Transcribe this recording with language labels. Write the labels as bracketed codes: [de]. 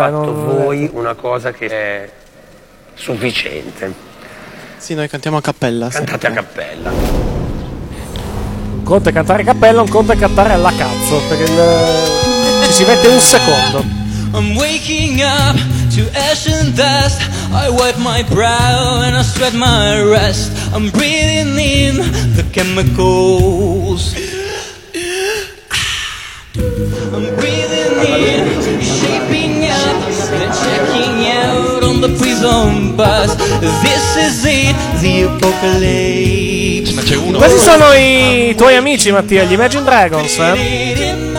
[it] Avete fatto voi una cosa che è sufficiente. Sì, noi cantiamo a cappella. Cantate sempre a cappella. Un conto è cantare a cappella, un conto è cantare alla cazzo, perché il... ci si mette un secondo. [en] I'm waking up to ash and dust. I wipe my brow and I sweat my rest. I'm breathing in the chemicals. I'm breathing in, shaping up, then checking out on the prison bus. This is it, the apocalypse. [it] Ma c'è uno. Questi sono i tuoi amici, Mattia, gli Imagine Dragons, eh?